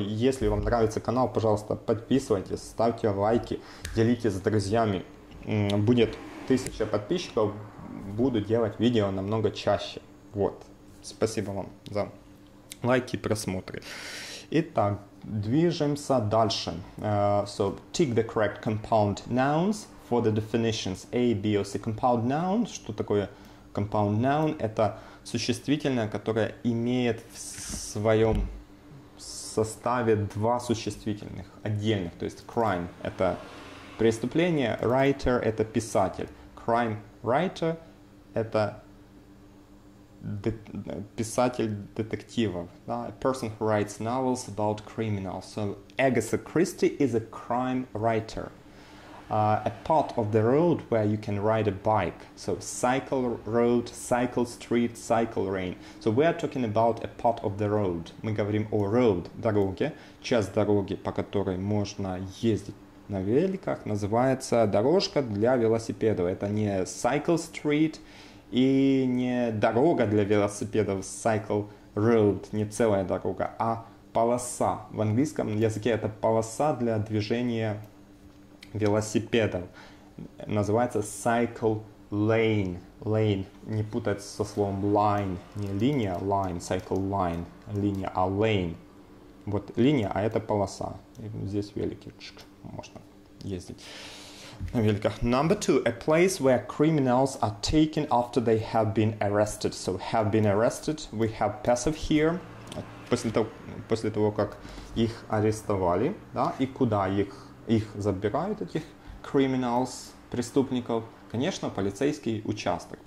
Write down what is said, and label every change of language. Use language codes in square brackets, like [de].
[ru] Если вам нравится канал, пожалуйста, подписывайтесь, ставьте лайки, делитесь с друзьями. Будет 1000 подписчиков, буду делать видео намного чаще. Вот, спасибо вам за лайки и просмотры. Итак, движемся дальше. [en] So, tick the correct compound nouns for the definitions A, B, or C. Compound noun, [ru] что такое [en] compound noun? [ru] Это существительное, которое имеет в своем составе два существительных отдельных. То есть crime – это преступление, writer – это писатель. Crime writer – это писатель детективов. [en] A person who writes novels about criminals. So Agatha Christie is a crime writer. A part of the road where you can ride a bike. So cycle road, cycle street, cycle rain. So we are talking about a part of the road. [ru] Мы говорим о road, дороге. Часть дороги, по которой можно ездить на великах, называется дорожка для велосипедов. Это не cycle street, и не дорога для велосипедов, cycle road, не целая дорога, а полоса. В английском языке это полоса для движения велосипедов. Называется cycle lane. Lane, не путать со словом line, не линия, line, cycle line, линия, а lane. Вот линия, а это полоса. И здесь велики, можно ездить. [en] Number two, a place where criminals are taken after they have been arrested. So have been arrested, we have passive here. [ru] После того, как их арестовали, да, и куда их забирают, этих criminals, преступников, конечно, полицейский участок.